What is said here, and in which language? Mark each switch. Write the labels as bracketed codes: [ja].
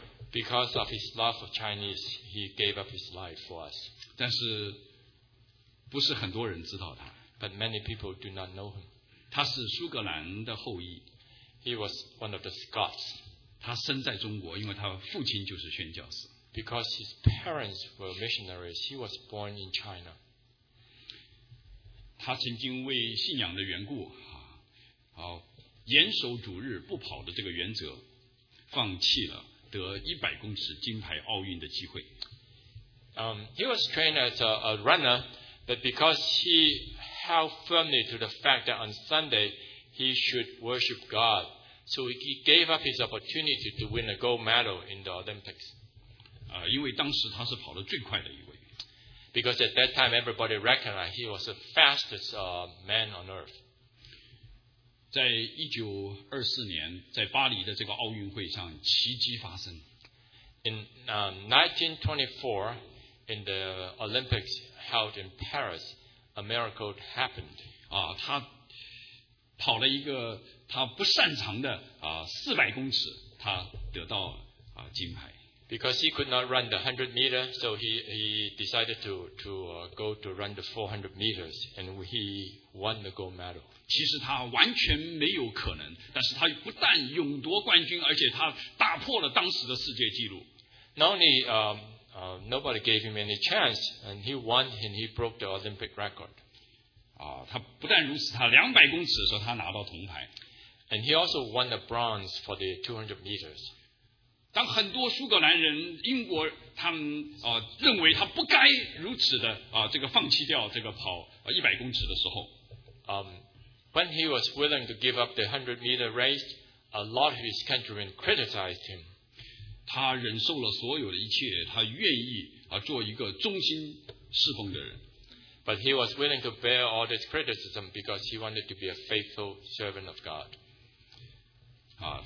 [en] Because of his love of Chinese, he gave up his life for us. [zh] 但是不是很多人知道他。 [en] But many people do not know him. [zh] 他是苏格兰的后裔。 [en] He was one of the Scots. [zh] 他生在中国，因为他父亲就是宣教士。 [en] Because his parents were missionaries, he was born in China. [zh] 他曾经为信仰的缘故，严守主日不跑的这个原则，放弃了得100公尺金牌奥运的机会。 [en] He was trained as a runner, but because he held firmly to the fact that on Sunday he should worship God. So he gave up his opportunity to win a gold medal in the Olympics. [zh] 因为当时他是跑得最快的一位。 [en] Because at that time everybody recognized he was the fastest man on earth. [zh] 在1924年，在巴黎的这个奥运会上，奇迹发生。 [en] In 1924, in the Olympics held in Paris, a miracle happened. [zh] 他跑了一个他不擅长的400公尺，他得到金牌。 [en] Because he could not run the 100 meters, so he decided to go to run the 400 meters, and he won the gold medal. [zh] 其实他完全没有可能，但是他不但勇夺冠军，而且他打破了当时的世界纪录。 [en] Not only nobody gave him any chance, and he won and he broke the Olympic record. [zh] 他不但如此，他200公尺的时候他拿到铜牌。 [en] And he also won the bronze for the 200 meters. [zh] 当很多苏格兰人、英国他们认为他不该如此的这个放弃掉这个跑100公尺的时候 [en] ，When he was willing to give up the 100 meter race, a lot of his countrymen criticized him. [zh] 他忍受了所有的一切，他愿意做一个忠心侍奉的人。 [en] But he was willing to bear all this criticism because he wanted to be a faithful servant of God.